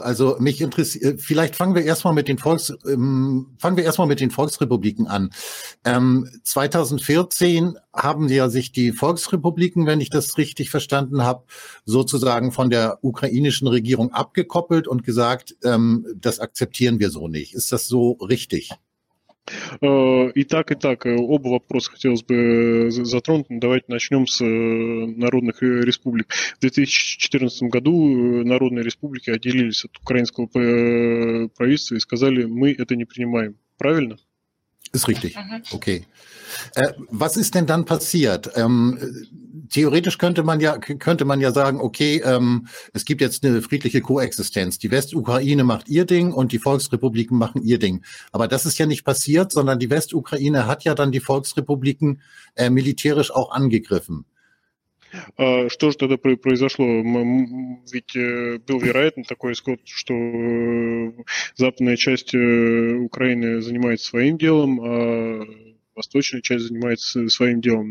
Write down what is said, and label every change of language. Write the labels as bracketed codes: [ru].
[de] Also mich interessiert, vielleicht fangen wir erstmal mit den Volksrepubliken an. 2014 haben ja sich die Volksrepubliken, wenn ich das richtig verstanden habe, sozusagen von der ukrainischen Regierung abgekoppelt und gesagt, das akzeptieren wir so nicht. Ist das so richtig? [ru] И так, оба вопроса хотелось бы затронуть. Давайте начнем с народных республик. В 2014 году народные республики отделились от украинского правительства и сказали, мы это не принимаем. Правильно? [de] Ist richtig. Okay. Was ist denn dann passiert? Theoretisch könnte man ja sagen, okay, es gibt jetzt eine friedliche Koexistenz. Die Westukraine macht ihr Ding und die Volksrepubliken machen ihr Ding. Aber das ist ja nicht passiert, sondern die Westukraine hat ja dann die Volksrepubliken militärisch auch angegriffen. [ru] Что же тогда произошло? Ведь был вероятный такой исход, что западная часть Украины занимается своим делом, а восточная часть занимается своим делом.